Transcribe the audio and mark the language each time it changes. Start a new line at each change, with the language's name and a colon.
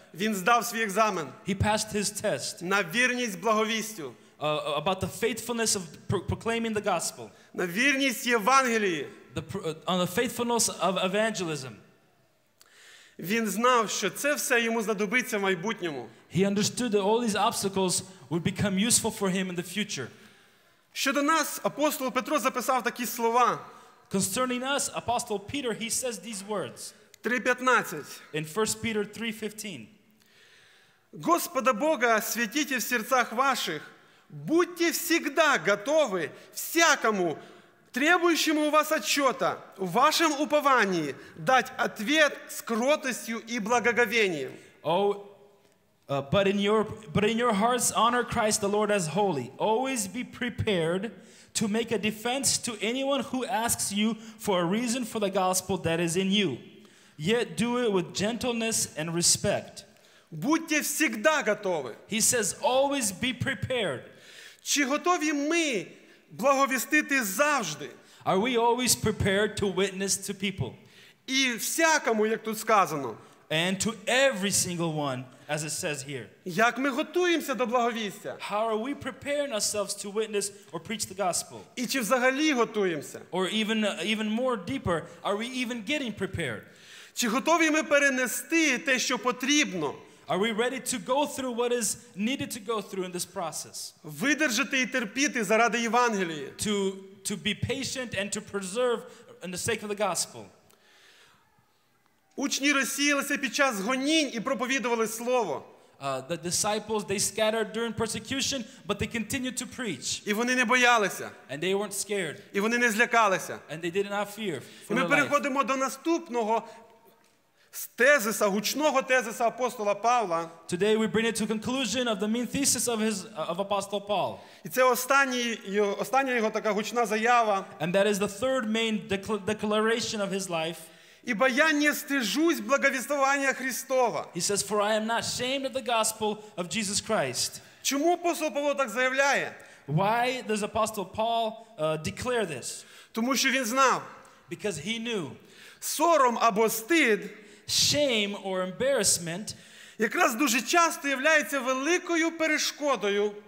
Ukrainian: Він здав свій екзамен.
English: He passed his test.
Ukrainian: На вірність благовістю.
English: About the faithfulness of proclaiming the gospel.
Ukrainian: На вірність Євангелії.
English: On the faithfulness of evangelism.
Ukrainian: Він знав, що це все йому знадобиться в майбутньому.
English: He understood that all these obstacles would become useful for him in the future.
Ukrainian: Щодо нас, апостол Петро записав такі слова.
English: Concerning us, Apostle Peter, he says these words. 3:15. In 1 Peter 3:15.
Ukrainian: Господа Бога святіть в серцях ваших.
Russian: Будьте всегда готовы всякому требующему у вас отчета в вашем уповании дать ответ с кротостью и благоговением.
English: But in your hearts honor Christ the Lord as holy. Always be prepared to make a defense to anyone who asks you for a reason for the gospel that is in you. Yet do it with gentleness and respect.
Russian: Будьте всегда готовы.
English: He says, always be prepared.
Ukrainian: Чи готові ми благовістити завжди?
English: Are we always prepared to witness to people?
Ukrainian: І всякому, як тут сказано.
English: And to every single one, as it says here.
Ukrainian: Як ми готуємося до благовістя?
English: How are we preparing ourselves to witness or preach the gospel?
Ukrainian: І чи взагалі готуємося?
English: Or even more deeper, are we even getting prepared?
Ukrainian: Чи готові ми перенести те, що потрібно?
English: Are we ready to go through what is needed to go through in this process?
Ukrainian: Видержати і терпіти заради Євангелії.
English: To be patient and to preserve in the sake of the gospel.
Ukrainian: Учні розсіялися під час гонінь і проповідували слово.
English: The disciples, they scattered during persecution, but they continued to preach.
Ukrainian: І вони не боялися.
English: And they weren't scared.
Ukrainian: І вони не злякалися.
English: And they did not fear.
Ukrainian: Ми переходимо до наступного з тезиса, гучного тезиса апостола Павла.
English: Today we bring it to conclusion of the main thesis of Apostle Paul.
Ukrainian: І це остання його така гучна заява.
English: And that is the third main declaration of his life.
Ukrainian: Ібо я не стижусь благовіствування Христова.
English: He says, for I am not ashamed of the gospel of Jesus Christ.
Ukrainian: Чому апостол Павло так заявляє?
English: Why does Apostle Paul declare this?
Ukrainian: Тому що він знав.
English: Because he knew.
Ukrainian: Сором або стид,
English: shame or embarrassment,
Ukrainian: якраз дуже часто являється великою перешкодою.